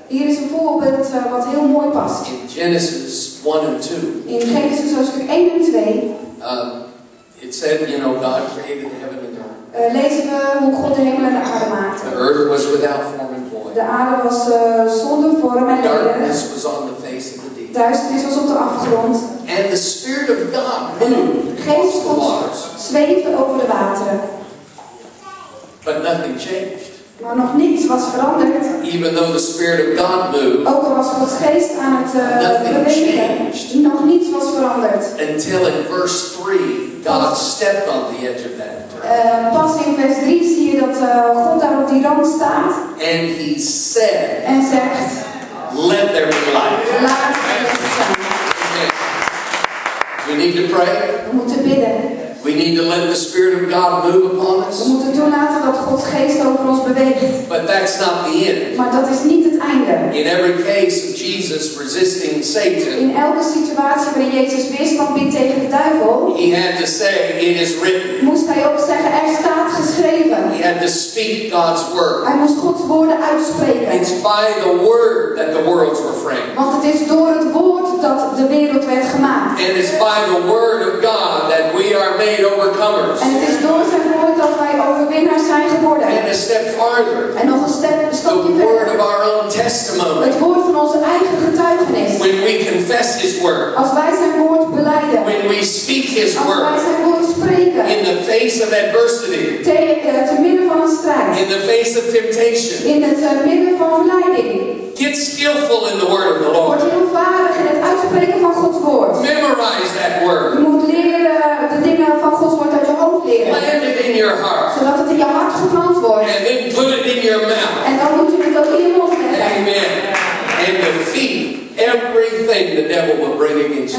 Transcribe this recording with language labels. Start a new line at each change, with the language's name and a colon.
Dutch: Hier is een voorbeeld wat heel mooi past.
English: In Genesis 1 and 2.
Dutch: In Genesis hoofdstuk 1 en 2.
English: It said, you know, God created the heaven and the earth.
Dutch: Lezen we hoe God de hemel en de aarde maakte.
English: The earth was without form and void.
Dutch: De aarde was zonder vorm en leeg.
English: Darkness was on the face of the deep.
Dutch: Duisternis was op de afgrond.
English: And the Spirit of God moved.
Dutch: Geest God zweefde over de wateren.
English: But nothing changed.
Dutch: Maar nog niets was veranderd.
English: Even though the Spirit of God moved.
Dutch: Ook al was Gods geest aan het bewegen.
English: Changed.
Dutch: Nog niets was veranderd.
English: Until in verse 3, God stepped on the edge of that.
Dutch: Pas in vers 3 zie je dat God daar op die rand staat.
English: And he said.
Dutch: En zegt.
English: Let there be light.
Dutch: Laat er licht zijn.
English: We need to pray.
Dutch: We moeten bidden.
English: We need to let the Spirit of God move upon us.
Dutch: We moeten toelaten dat Gods geest over ons beweegt.
English: But that's not the end.
Dutch: Maar dat is niet het einde.
English: In every case of Jesus resisting Satan.
Dutch: In elke situatie waarin Jezus weerstand biedt tegen de duivel.
English: He had to say, it is written.
Dutch: Moest hij ook zeggen, er staat geschreven.
English: He had to speak God's word.
Dutch: Hij moest Gods woorden uitspreken.
English: It's by the word that the worlds were framed.
Dutch: Want het is door het woord dat de wereld werd gemaakt.
English: And it's by the word of God that we are made overcomers.
Dutch: En het is door zijn woord dat wij overwinnaars zijn geworden.
English: And a step farther.
Dutch: En nog een stapje verder.
English: The word of our own testimony.
Dutch: Het woord van onze eigen getuigenis.
English: When we confess his word.
Dutch: Als wij zijn woord belijden.
English: When we speak his word.
Dutch: Als wij zijn woord spreken.
English: In the face of adversity.
Dutch: Te midden van een strijd.
English: In the face of temptation.
Dutch: In het midden van verleiding.
English: Get skillful in the word of the Lord.
Dutch: Word heel vaardig in het uitspreken van Gods woord.
English: Memorize that word.
Dutch: Je moet leren de dingen van Gods woord uit je hoofd leren.
English: Land it in your heart.
Dutch: Zodat het in je hart geplant wordt.
English: And then put it in your mouth.
Dutch: En dan moet je het ook in je mond leggen.
English: Amen. And defeat everything the devil will bring against you.